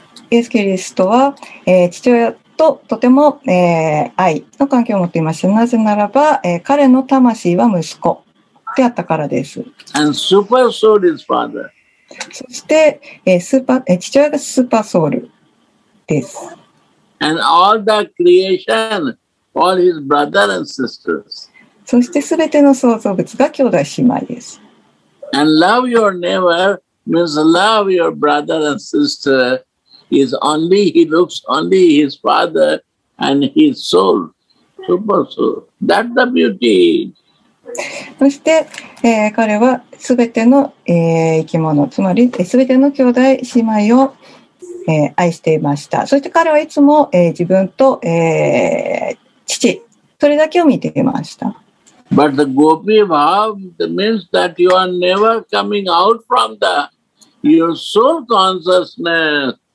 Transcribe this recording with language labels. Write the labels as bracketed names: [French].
[Japanese] イエス・キリストは、父親ととても、愛の関係を持っていました。なぜならば、彼の魂は息子であったからです。 [English] And super soul is father. [Japanese] そして、父親がスーパーソウルです。 [English] And all the creation, all his brothers and sisters. [Japanese] そして全ての創造物が兄弟姉妹です。 [English] And love your neighbor means love your brother and sister. Is only he looks only his father and his soul, super soul. That's the beauty. [Japanese] そして、彼はすべての、生き物、つまりすべての兄弟姉妹を、愛していました。そして彼はいつも、自分と、父、それだけを見ていました。 [English] But the gopi bhav means that you are never coming out from the your soul consciousness.